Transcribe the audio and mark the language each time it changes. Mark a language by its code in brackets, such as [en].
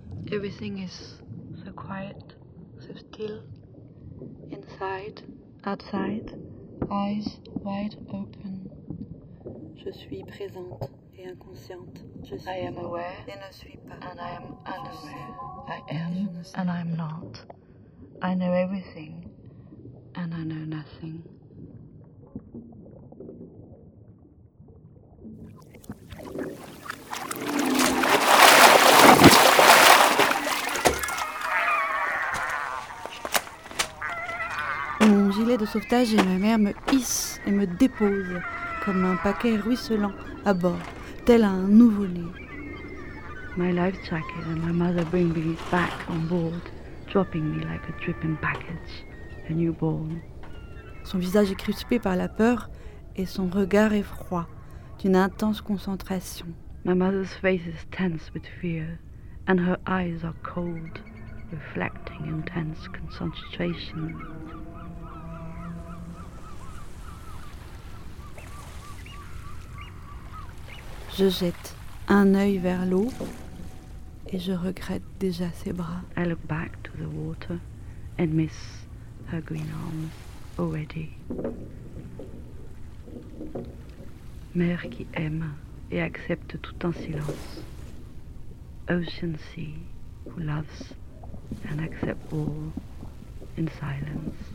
[en] Everything is so quiet, so still. Inside, outside, eyes wide open. [fr] Je suis présente. Inconsciente. Je suis [en] I am aware [fr] et ne suis pas. [en] And I am unaware. I am and I am not. I know everything and I know nothing. [fr] Mon gilet de sauvetage et ma mère me hissent et me déposent comme un paquet ruisselant à bord. Tel un nouveau-né. [en] My life jacket and my mother bring me back on board, dropping me like a dripping package, a newborn. [fr] Son visage est crispé par la peur et son regard est froid, d'une intense concentration. [en] My mother's face is tense with fear and her eyes are cold, reflecting intense concentration. [fr] Je jette un œil vers l'eau et je regrette déjà ses bras. [en] I look back to the water and miss her green arms already. [fr] Mère qui aime et accepte tout en silence. [en] Ocean sea who loves and accepts all in silence.